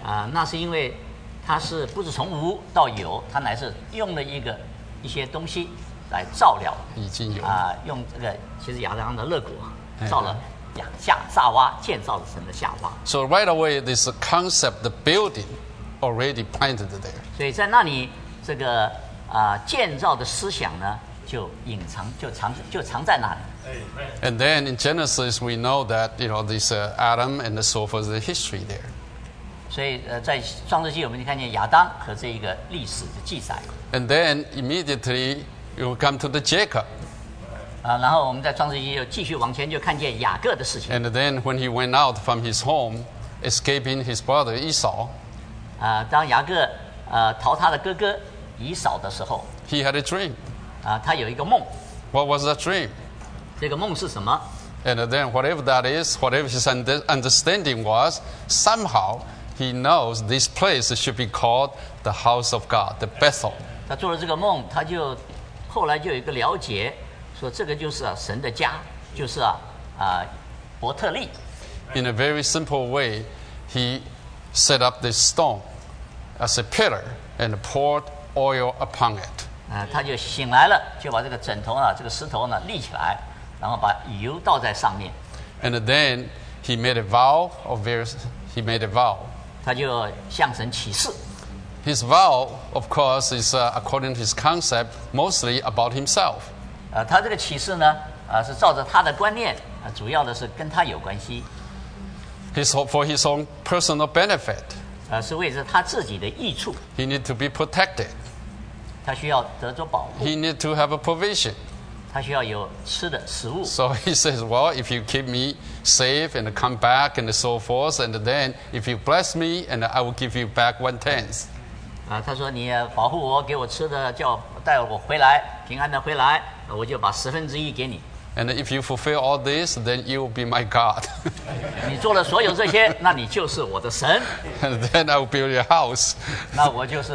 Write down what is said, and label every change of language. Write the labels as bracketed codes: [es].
[zh] 那是因为他是不是从无到有他乃是用了一些东西来造了已经有用这个其实亚当的肋骨造了、哎夏娃建造成的夏娃 [en] So right away this concept the building already planted there [zh] 所以在那里这个建造的思想呢就隐藏就藏在那里 [en] And then in Genesis we know that you know this Adam and so forth the history there [zh] 所以在创世纪我们就看见亚当和这一个历史的记载 [en] And then immediately you come to the Jacob [zh] 然后我们在创世纪又继续往前，就看见雅各的事情。 [en] And then when he went out from his home, escaping his brother Esau, [zh] 当雅各逃他的哥哥以扫的时候 [en] ，He had a dream. [zh] 他有一个梦。 [en] What was that dream? [zh] 这个梦是什么 [en] ？And then whatever that is, whatever his understanding was, somehow he knows this place should be called the house of God, the Bethel. [zh] 他做了这个梦，他就后来就有一个了解。说这个就是神的家，就是伯特利。 [en] In a very simple way, he set up this stone as a pillar and poured oil upon it. [zh] 他就醒来了，就把这个枕头啊，这个石头呢立起来，然后把油倒在上面。 [en] And then he made a vow, or various, he made a vow. [zh] 他就向神起誓。 [en] His vow, of course, is according to his concept, mostly about himself. [zh] 他这个启示呢是照着他的观念主要的是跟他有关系 [en] his, for his own personal benefit [zh] 是为着他自己的益处 [en] he need to be protected [zh] 他需要得着保护 [en] he need to have a provision [zh] 他需要有吃的食物 [en] so he says well if you keep me safe and come back and so forth and then if you bless me and I will give you back one tenth [zh] 他说你保护我给我吃的叫带我回来平安的回来我就把十分之一给你 [en] And if you fulfill all this Then you will be my God [zh] 你做了所有这些那你就是我的神 [en] And then I will build your house [zh] 那我就是